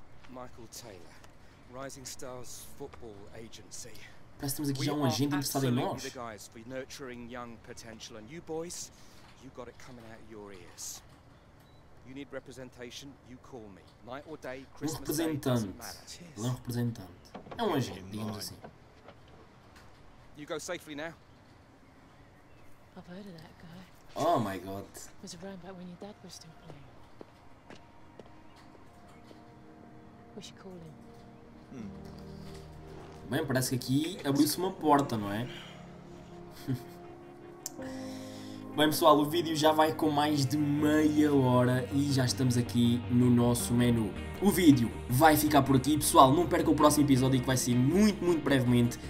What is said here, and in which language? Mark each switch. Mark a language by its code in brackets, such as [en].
[en] Michael Taylor, Rising Stars Football Agency. We are absolutely the guys for nurturing young potential, and you boys, you got it coming out of your ears. You need representation, you call me. Night or day, Christmas day, doesn't matter. [pt] Um representante. É um agente, digamos assim. [en] You go safely now. I've heard of that guy. Oh my god. It was around back when your dad was still playing. We should call him. [pt] Bem, parece que aqui abriu-se uma porta, não é? Bem pessoal, o vídeo já vai com mais de meia hora e já estamos aqui no nosso menu. O vídeo vai ficar por aqui. Pessoal, não perca o próximo episódio que vai ser muito, muito brevemente.